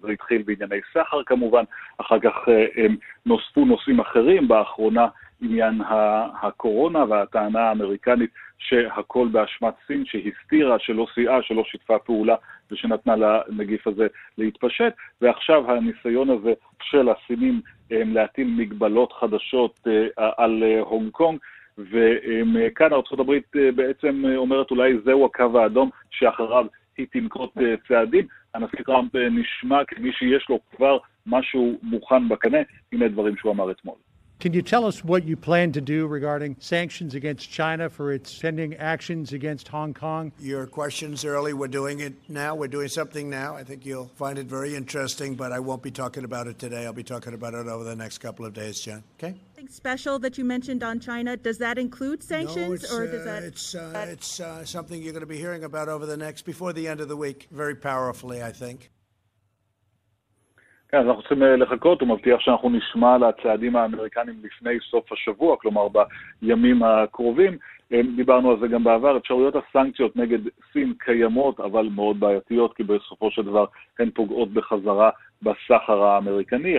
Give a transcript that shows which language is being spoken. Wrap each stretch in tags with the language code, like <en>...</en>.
<he>זה התחיל בענייני סחר כמובן, אחר כך נוספו נושאים אחרים, באחרונה עניין הקורונה והטענה האמריקנית שהכל באשמת סין, שהסתירה, שלא סייעה, שלא שיתפה פעולה ושנתנה לנגיף הזה להתפשט, ועכשיו הניסיון הזה של הסינים להטיל מגבלות חדשות על הונג קונג, וכאן ארצות הברית בעצם אומרת אולי זהו הקו האדום שאחריו היא תנקוט צעדים. הנשיא טראמפ נשמע כמי שיש לו כבר משהו מוכן בקנה, הנה דברים שהוא אמר אתמול.</he> <en>Can you tell us what you plan to do regarding sanctions against China for its pending actions against Hong Kong? Your questions early, we're doing it now. We're doing something now. I think you'll find it very interesting, but I won't be talking about it today. I'll be talking about it over the next couple of days, Jen. Okay? Anything special that you mentioned on China, does that include sanctions? No, something you're going to be hearing about over the next, before the end of the week, very powerfully, I think.</en> <he>אז אנחנו צריכים לחכות, הוא מבטיח שאנחנו נשמע לצעדים האמריקנים לפני סוף השבוע, כלומר בימים הקרובים. דיברנו על זה גם בעבר, אפשרויות הסנקציות נגד סין קיימות, אבל מאוד בעייתיות, כי בסופו של דבר הן פוגעות בחזרה בסחר האמריקני.</he>